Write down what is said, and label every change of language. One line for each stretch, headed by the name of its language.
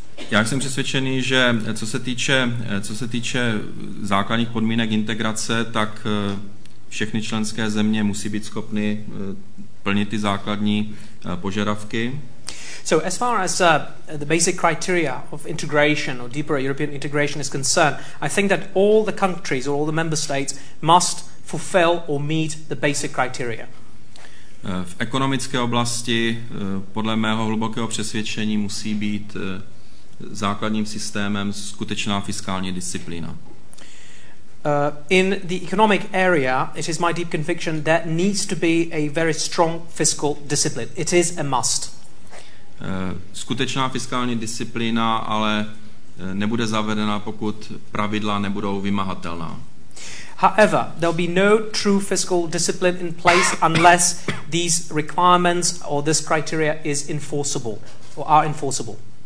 Czech: Já jsem přesvědčený, že co se týče základních podmínek integrace, tak všechny členské země musí být schopny plnit ty základní požadavky.
English: So as far as the basic criteria of integration or deeper European integration is concerned, I think that all the countries or all the member states must fulfill or meet the basic criteria.
Czech: V ekonomické oblasti podle mého hlubokého přesvědčení musí být základním systémem skutečná fiskální disciplína.
English: In the economic area, it is my deep conviction that needs to be a very strong fiscal discipline. It is a must.
Czech: Skutečná fiskální disciplína ale nebude zavedena, pokud pravidla nebudou vymahatelná.
English: However, there'll be no true fiscal discipline in place unless these requirements or this criteria is enforceable or are enforceable.